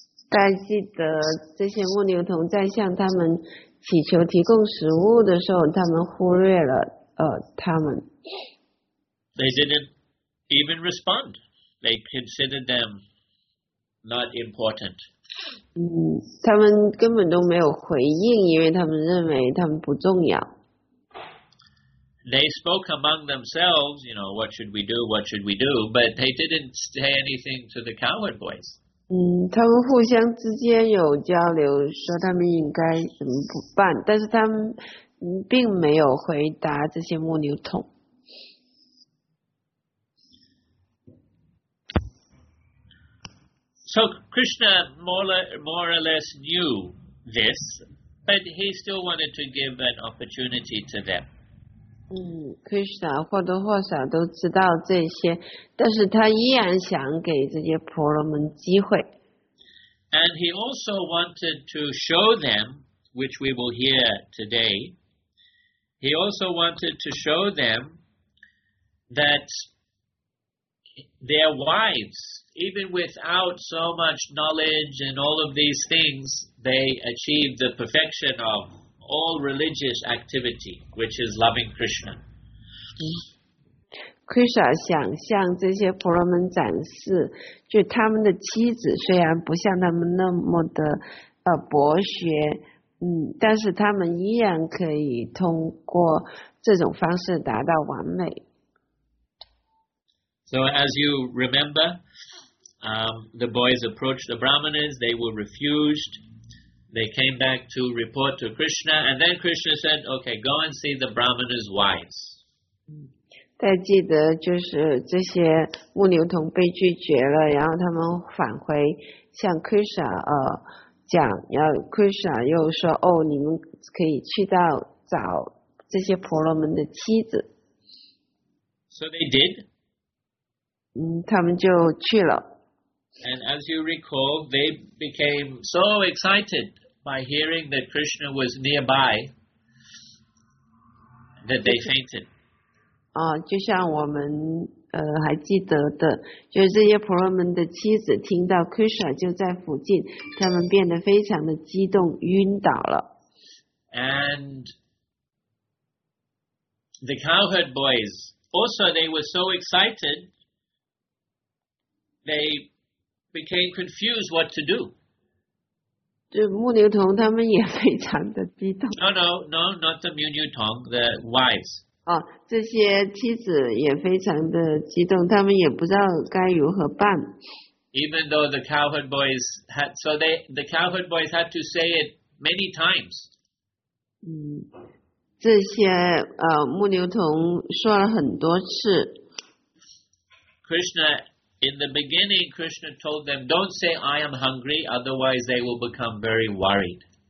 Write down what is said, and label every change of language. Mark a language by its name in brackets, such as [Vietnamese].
[Chinese] 大家记得这些牧牛童在向他们祈求提供食物的时候，他们忽略了他们。 [English] They didn't even respond. They considered them not important. [Chinese] 他们根本都没有回应，因为他们认为他们不重要。 [English] They spoke among themselves, you know, what should we do? What should we do? But they didn't say anything to the cowherd boys. [Chinese] 他们互相之间有交流，说他们应该怎么办，但是他们并没有回答这些牧牛童。 [English] So Krishna more or less knew this, but he still wanted to give an opportunity to them. [Chinese] Krishna 或多或少都知道这些，但是他依然想给这些婆罗门机会。 [English] And he also wanted to show them, which we will hear today, he also wanted to show them that their wives. Even without so much knowledge and all of these things, they achieve the perfection of all religious activity, which is loving Krishna. [Chinese] Krishna 想向这些婆罗门展示，就他们的妻子虽然不像他们那么的博学，但是他们依然可以通过这种方式达到完美。 [English] So as you remember, the boys approached the brahmanas. They were refused. They came back to report to Krishna, and then Krishna said, "Okay, go and see the brahmanas' wives." [Chinese] 大家记得就是这些牧牛童被拒绝了，然后他们返回向 Krishna 讲，然后 Krishna 又说，哦，你们可以去到找这些婆罗门的妻子。 [English] So they did. [Chinese] 他们就去了。 [English] And as you recall, they became so excited by hearing that Krishna was nearby that they fainted. [Chinese] 就像我们还记得的，就是这些婆罗门的妻子听到 Krishna 就在附近，他们变得非常的激动，晕倒了。 [English] And the cowherd boys also, they were so excited, they became confused what to do. [Chinese] 就牧牛童他们也非常的激动。 [English] No, not the [Chinese] 牧牛童, [English] the wives. [Chinese] 这些妻子也非常的激动，他们也不知道该如何办。 [English] Even though the cowherd boys had, so they, the cowherd boys had to say it many times. [Chinese] 这些牧牛童说了很多次。 [English] Krishna, in the beginning, Krishna told them, "Don't say I am hungry, otherwise they will become very worried."